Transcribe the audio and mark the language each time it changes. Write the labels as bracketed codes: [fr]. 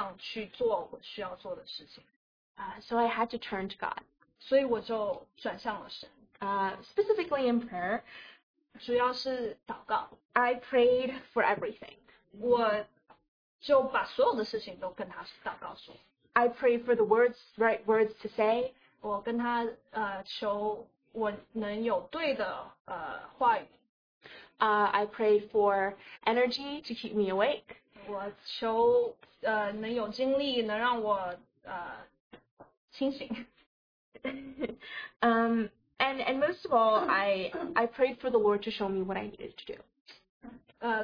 [zh] 同时我这一周本来就已经很累，所以我都不知道我能怎么样去做我需要做的事情。 [en] So I had to turn to God. [zh] 所以我就转向了神。 [en] Specifically in prayer, [zh] 主要是祷告。 [en] I prayed for everything. [zh] 我就把所有的事情都跟他祷告说。 [en] I prayed for the words, right words to say. [zh] 我跟他求我能有对的话语。 [en] I prayed for energy to keep me awake. [zh] 我求能有精力能让我清醒。 [en] And most of all, I prayed for the Lord to show me what I needed to do.